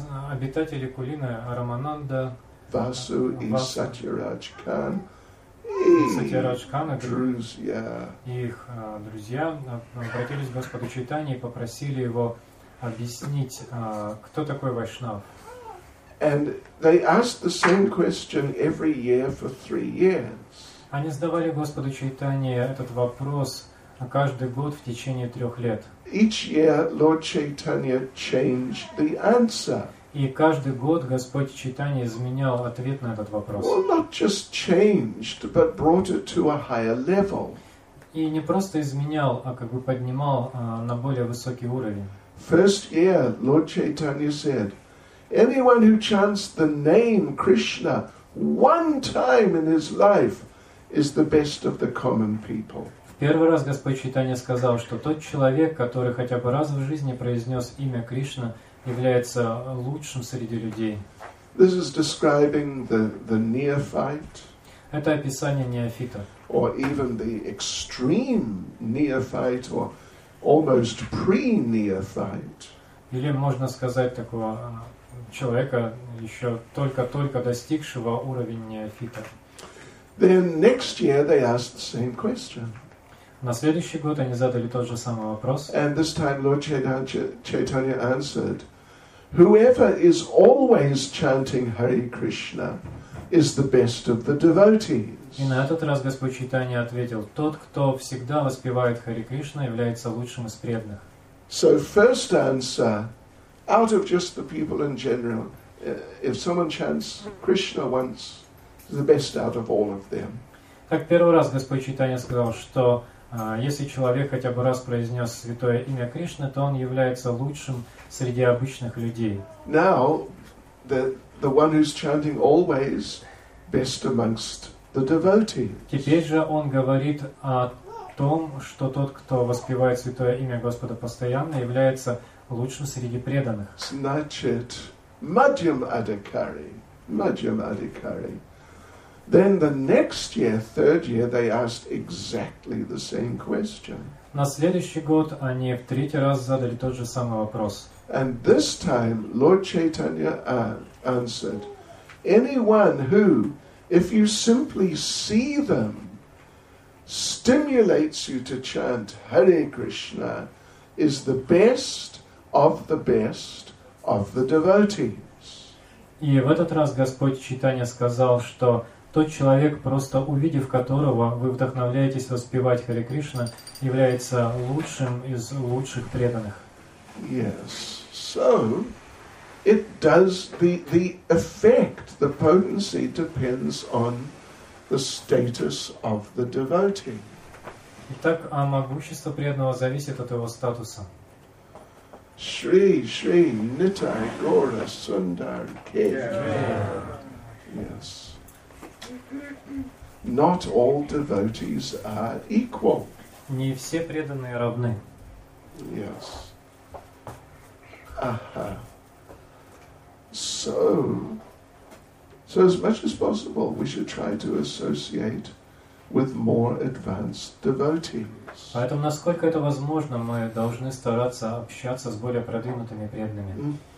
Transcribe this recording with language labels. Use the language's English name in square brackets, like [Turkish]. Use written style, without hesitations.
[Russian] Обитатели Кулина, Рамананда Vasu и Сатьярадж Кан, их друзья обратились к Господу Чайтанье и попросили его объяснить, кто такой вайшнав. [English] And they asked the same question every year for 3 years. [Russian] Они задавали Господу Чайтанье этот вопрос каждый год в течение 3 лет. [English] Each year Lord Chaitanya changed the answer. [Russian] И каждый год Господь Чайтанья изменял ответ на этот вопрос. [English] Well, not just changed, but brought it to a higher level. [Russian] И не просто изменял, а как бы поднимал на более высокий уровень. [English] First year, Lord Chaitanya said, anyone who chants the name Krishna one time in his life is the best of the common people. [Russian] В первый раз Господь Чайтанья сказал, что тот человек, который хотя бы раз в жизни произнес имя Кришна, является лучшим среди людей. [English] This is describing the neophyte. [Russian] Это описание неофита. [English] Or even the extreme neophyte or almost pre-neophyte. [Russian] Или можно сказать такого человека, еще только-только достигшего уровня неофита. [English] Then next year they asked the same question. [Russian] На следующий год они задали тот же самый вопрос. [English] And this time Lord Chaitanya answered, whoever is always chanting Hare Krishna is the best of the devotees. [Russian] И на этот раз Господь Чайтанья ответил: тот, кто всегда воспевает Хари Кришна, является лучшим из преданных. [English] So first answer, out of just the people in general, if someone chants Krishna once, the best out of all of them. [Russian] Так первый раз Господь Чайтанья сказал, что если человек хотя бы раз произнес святое имя Кришны, то он является лучшим среди обычных людей. [English] Now, the one who's chanting always, best amongst the devotees. [Russian] Теперь же он говорит о том, что тот, кто воспевает святое имя Господа постоянно, является лучшим среди преданных. Значит, Madhyam Adhikari. [English] Then the next year, third year, they asked exactly the same question. [Russian] На следующий год они в третий раз задали тот же самый вопрос. [English] And this time, Lord Chaitanya answered, anyone who, if you simply see them, stimulates you to chant Hare Krishna, is the best of the best of the devotees. [Russian] И в этот раз Господь Чайтанья сказал, что тот человек, просто увидев которого, вы вдохновляетесь воспевать Хари Кришна, является лучшим из лучших преданных. [English] Yes. So, it does the effect, the potency depends on the status of the devotee. [Russian] Итак, а могущество преданного зависит от его статуса. [English] Shri Shri Nitai Gaura Sundar Kedra. Yes. Not all devotees are equal. [Russian] Не все преданные равны. [English] Yes. Aha. So as much as possible, we should try to associate with more advanced devotees. [Russian] Поэтому, насколько это возможно, мы должны стараться общаться с более продвинутыми преданными.